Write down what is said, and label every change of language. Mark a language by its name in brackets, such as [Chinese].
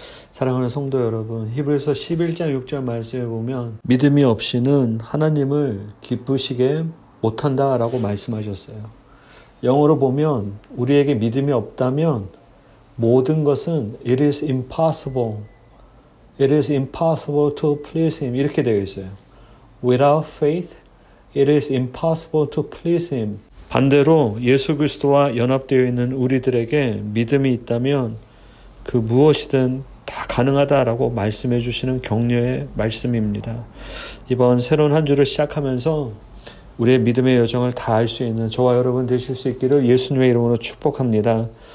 [Korean] 사랑하는 성도 여러분, 히브리서 11장 6절 말씀해 보면 믿음이 없이는 하나님을 기쁘시게 못한다라고 말씀하셨어요. 영어로 보면 우리에게 믿음이 없다면 모든 것은 [English] It is impossible. It is impossible to please him. [Korean] 이렇게 되어 있어요. [English] Without faith, it is impossible to please him. [Korean] 반대로 예수 그리스도와 연합되어 있는 우리들에게 믿음이 있다면 그 무엇이든 다 가능하다라고 말씀해 주시는 격려의 말씀입니다. 이번 새로운 한 주를 시작하면서 우리의 믿음의 여정을 다 알 수 있는 저와 여러분 되실 수 있기를 예수님의 이름으로 축복합니다.